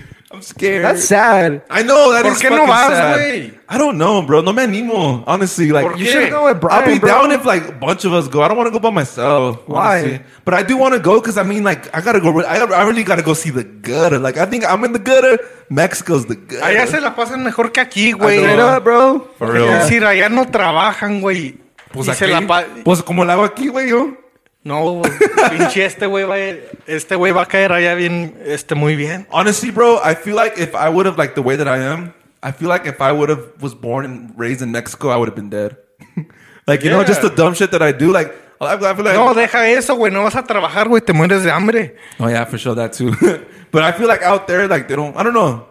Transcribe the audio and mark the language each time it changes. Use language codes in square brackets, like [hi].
[en] I'm scared. That's sad. I know. That is fucking sad. I don't know, bro. [es] No me animo. [en] Honestly, like, you should go with Brian, I'll be bro. Down if like a bunch of us go. I don't want to go by myself. Why? Honestly. But I do want to go because I mean, like, I got to go. I really got to go see the gutter. Like, I think I'm in the gutter. Mexico's the gutter. [es] Allá se la pasan mejor que aquí, güey. [en] Bro. For real. [es] Es decir, allá no trabajan, güey. Pues aquí. Pues como la hago aquí, güey, yo. No, pinche este güey va a caer allá bien, muy bien. [en] Honestly, bro, I feel like if I would have, like, the way that I am, I feel like if I would have was born and raised in Mexico, I would have been dead. Like, you know, just the dumb shit that I do, like, I feel like... [es] No, deja eso, güey, no vas a trabajar, güey, te mueres de hambre. [en] Oh, yeah, for sure, that too. But I feel like out there, like, they don't, I don't know.